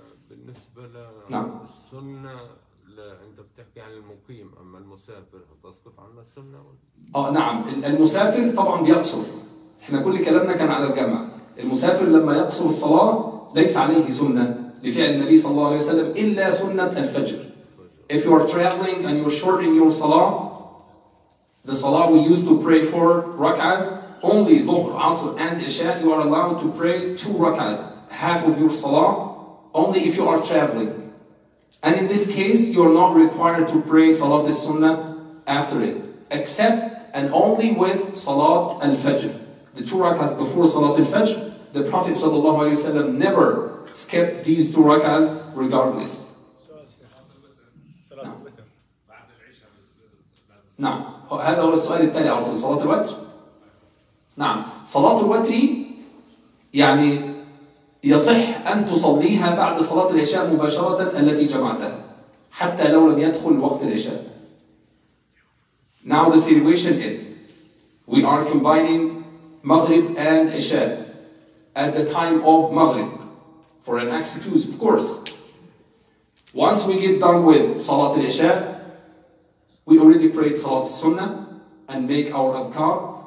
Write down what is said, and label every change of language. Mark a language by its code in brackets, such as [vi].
[ar] بالنسبة للسنة عند بتحكي عن المقيم، أما المسافر تسقط عن السنة؟ نعم، المسافر طبعا بيقصر. احنا كل كلامنا كان على الجمع. المسافر لما يقصر الصلاة ليس عليه سنة لفعل النبي صلى الله عليه وسلم إلا سنة الفجر. [en] If you are traveling and you're shortening your salah, the salah we used to pray for rak'ahs, only Dhuhr, Asr and Isha, you are allowed to pray two rak'ahs, half of your salah, only if you are traveling. And in this case, you are not required to pray Salat al-Sunnah after it, except and only with Salat al-Fajr. The two rak'ahs before Salat al-Fajr, the Prophet sallallahu alayhi wa sallam never skipped these two rak'ahs regardless. [ar] نعم، هذا هو السؤال التالي على طول، صلاة الوتر. نعم، صلاة الوتر يعني يصح أن تصليها بعد صلاة العشاء مباشرة التي جمعتها حتى لو لم يدخل وقت العشاء. [en] Now the situation is we are combining Maghrib and Isha at the time of Maghrib for an excuse, of course. Once we get done with صلاة العشاء, we already prayed Salat al-Sunnah and make our adhkar.